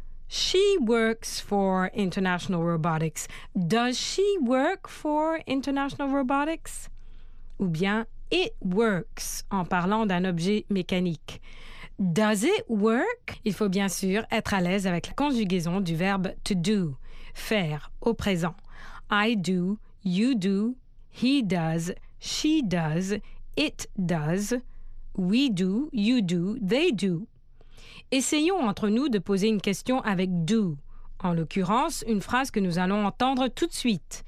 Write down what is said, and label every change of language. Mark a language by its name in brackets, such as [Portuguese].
[English] She works for International Robotics. Does she work for International Robotics? [French] Ou bien, [English] it works, [French] en parlant d'un objet mécanique. [English] Does it work? [French] Il faut bien sûr être à l'aise avec la conjugaison du verbe to do, faire, au présent. [English] I do, you do, he does, she does, it does, we do, you do, they do. [French] Essayons entre nous de poser une question avec « do », en l'occurrence, une phrase que nous allons entendre tout de suite.